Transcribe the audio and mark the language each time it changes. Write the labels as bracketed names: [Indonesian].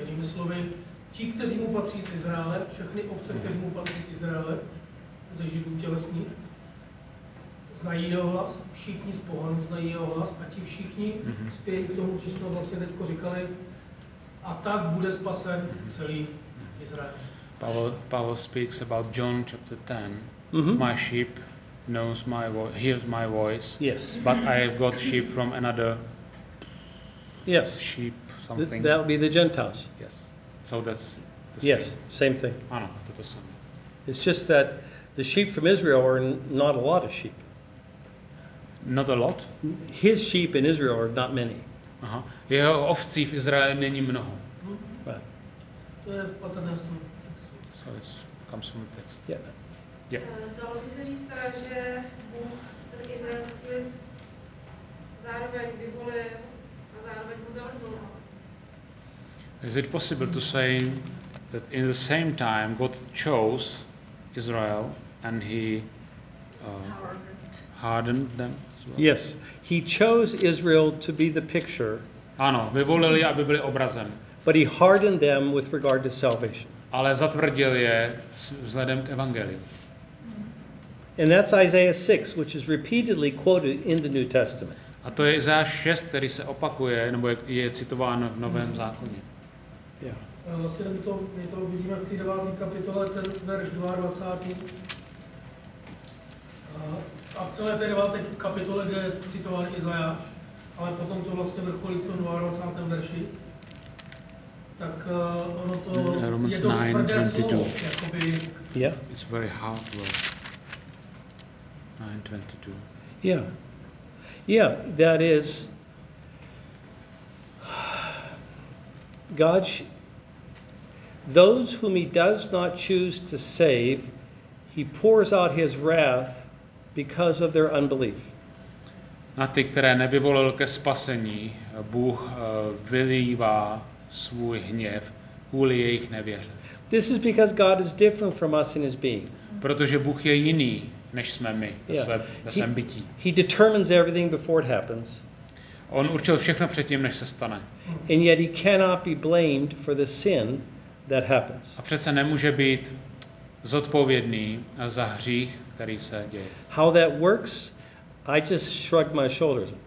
[Czech] Jinými slovy, ti, kteří mu patří z Izraele, všechny ovce, kteří mu patří z Izraele, ze Židů tělesných, znají jeho hlas, všichni z pohanů znají jeho hlas a ti všichni spějí k tomu, co jsme vlastně teď říkali, a tak bude spasen celý Izrael. [English] Pavel speaks about John chapter 10. Mm-hmm. My sheep knows my voice, hears my voice. Yes. But I have got sheep from another. Yes. Sheep something. That would be the Gentiles. Yes. So that's the same. Yes, same thing. [Czech] Ano, to je to samé. [English] It's just that the sheep from Israel are not a lot of sheep. Not a lot? His sheep in Israel are not many. Aha. [Czech] Jeho ovcí v Izraeli není mnoho. To je paternostru. [English] So it comes from the text. Yeah. Yeah. [Czech] Dalo by se říct teda, že Bůh ten izraelský lid zároveň vyvolil a zároveň ho zaodvolal. [English] Is it possible to say that in the same time God chose Israel and he hardened them? Yes, he chose Israel to be the picture. [Czech] Ano, vyvolili, aby byli obrazem. [English] But he hardened them with regard to salvation. [Czech] Ale zatvrdil je vzhledem k evangeliu. [English] And that's Isaiah 6, which is repeatedly quoted in the New Testament. [Czech] A to je Izajáš 6, který se opakuje, nebo je citován v Novém zákoně. [English] Yeah. [Czech] Vlastně my to vidíme v té 9. kapitole, ten verš 22. A v celé té 9. kapitole, kde je citován Izajáš, ale potom to vlastně vrcholí v tom 22. verši, tak ono to je dost tvrdé slovo, jakoby. [English] Yeah. It's very hard word. 9:22. Yeah. Yeah, that is, God, those whom he does not choose to save, he pours out his wrath because of their unbelief. [Czech] Na ty, které nevyvolil ke spasení, Bůh vylívá svůj hněv kvůli jejich nevěře. [English] This is because God is different from us in his being. [Czech] Protože Bůh je jiný. Než jsme my ve svém bytí. [English] He determines everything before it happens. [Czech] On určil všechno předtím, než se stane. [English] And yet he cannot be blamed for the sin that happens. [Czech] A přece nemůže být zodpovědný za hřích, který se děje. [English] How that works, I just shrug my shoulders.